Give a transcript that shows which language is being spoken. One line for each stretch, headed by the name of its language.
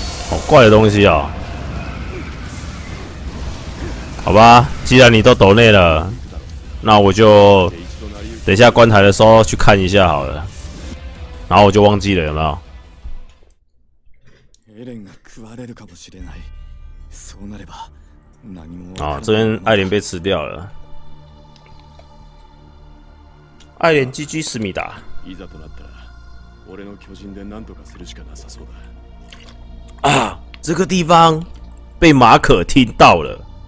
Chinese: 好怪的东西哦。好吧，既然你都抖内了，那我就等一下关台的时候去看一下好了。然后我就忘记了，有没有？
Japanese: エレンが食われるかもしれない。そうなれば何も。
Chinese: 啊，这边艾莲被吃掉了。艾莲 GG 思密达。
Japanese: いざとなったら、俺の巨人で何とかするしかなさそうだ。
Chinese: 啊，这个地方被马可听到了。